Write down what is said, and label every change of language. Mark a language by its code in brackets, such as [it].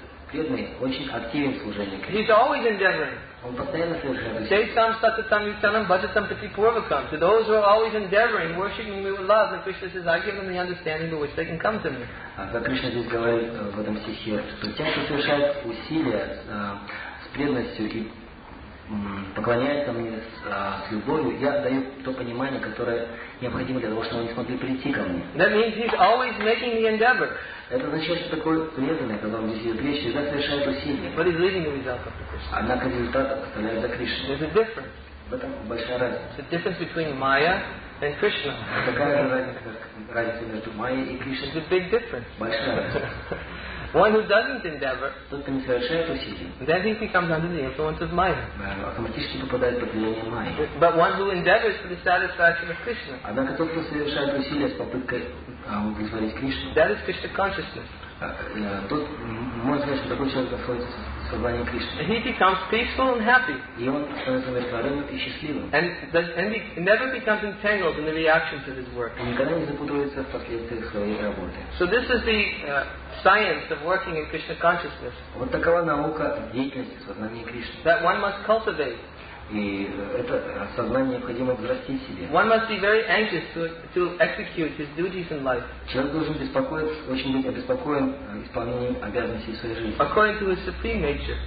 [ru] Преданный очень активен в служении Кришне. [en] He's always endeavoring. [ru] Он постоянно совершает усилия. [sa] Sesam satatam yutanam bhajatam patipurvakam. [en] To those who are always endeavoring, worshiping me with love, and Krishna says, I give them the understanding by which they can come to me. [ru] Как Кришна здесь говорит в этом стихе, что тем, кто совершает усилия с преданностью и поклоняется мне с любовью, я даю то понимание, которое необходимо для того, чтобы они смогли прийти ко мне. [en] That means he's always making the endeavor. [ru] Это означает, что такой преданный, когда он здесь идет речь, всегда совершает усилия. [en] But he's leaving the result of Krishna. [ru] Однако результат оставляет за Кришной. [en] There's a difference. [ru] В этом большая разница. [en] The difference between Maya and Krishna. [ru] Какая разница между Майей и Кришной? [en] It's a big difference. [ru] Большая разница. [en] One who doesn't endeavor, [ru] тот, кто не совершает усилия, [en] then he becomes under the influence of Maya. [ru] Автоматически попадает под влияние Майи. [en] But one who endeavors for the satisfaction of Krishna, [ru] однако тот, кто совершает усилия с попыткой удовлетворить Кришну, [en] that is Krishna consciousness. [ru] Тот, можно сказать, что такой человек находится в сознании Кришны. [en] He becomes peaceful and happy. [ru] И он становится удовлетворенным и счастливым. [en] And he never becomes entangled in the reactions of his work. [ru] Он никогда не запутывается в последствиях своей работы. [en] So this is the science of working in Krishna consciousness. [ru] Вот такова наука деятельности в сознании Кришны. [en] That one must cultivate. [ru] И это сознание необходимо взрастить в себе. [en] One must be very anxious to execute his duties in life. [ru] Человек должен беспокоиться, очень быть обеспокоен исполнением обязанностей своей жизни. [en] According to his supreme nature.